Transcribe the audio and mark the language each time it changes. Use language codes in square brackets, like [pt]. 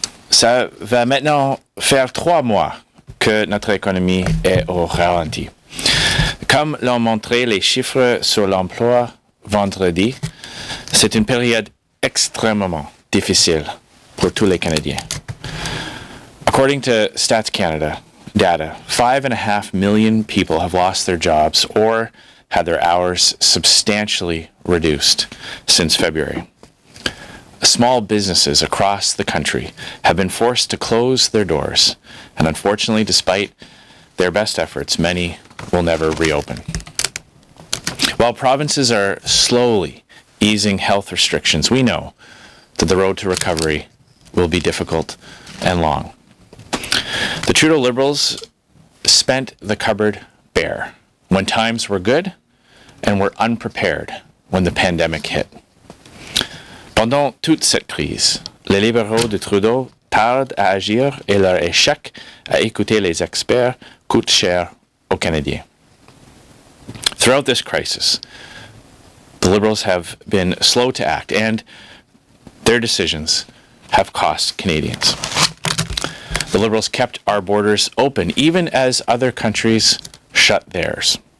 [fr] Ça va maintenant faire trois mois que notre économie est au ralenti. Comme l'ont montré les chiffres sur l'emploi vendredi, c'est une période extrêmement difficile pour tous les Canadiens. [en] According to Stats Canada data, 5.5 million people have lost their jobs or had their hours substantially reduced since February. Small businesses across the country have been forced to close their doors, and unfortunately, despite their best efforts, many will never reopen. While provinces are slowly easing health restrictions, we know that the road to recovery will be difficult and long. The Trudeau Liberals spent the cupboard bare when times were good and were unprepared when the pandemic hit. [fr] Pendant toute cette crise, les libéraux de Trudeau tardent à agir et leur échec à écouter les experts coûte cher aux Canadiens. [en] Throughout this crisis, the Liberals have been slow to act and their decisions have cost Canadians. The Liberals kept our borders open even as other countries shut theirs.